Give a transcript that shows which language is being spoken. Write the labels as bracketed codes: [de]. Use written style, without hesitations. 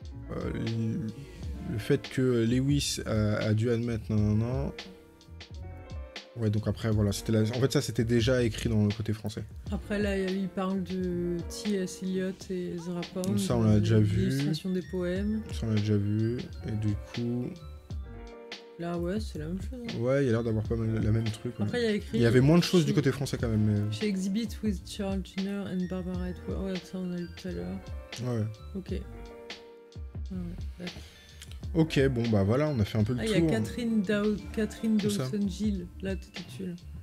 [fr] Le fait que Lewis a dû admettre Ouais, donc après, voilà, en fait, ça, c'était déjà écrit dans le côté français. Après, là, il parle de T.S. Eliot et Ezra Pound. Donc ça, on l'a déjà vu. L'illustration des poèmes. Ça, on l'a déjà vu. Et du coup... Là, ouais, c'est la même chose. Hein. Ouais, il y a l'air d'avoir pas mal la même truc. Après, il y a écrit... Il y avait moins de choses du côté français, quand même. Mais... [en] She exhibit with Charles Jenner and Barbara Edward. [fr] Ouais, ça, on a lu tout à l'heure. Ouais. Ok. Ouais, d'accord. Ok, bon, bah voilà, on a fait un peu le tour. Ah, il y a Catherine Dawson-Gill, là, tout est tulle.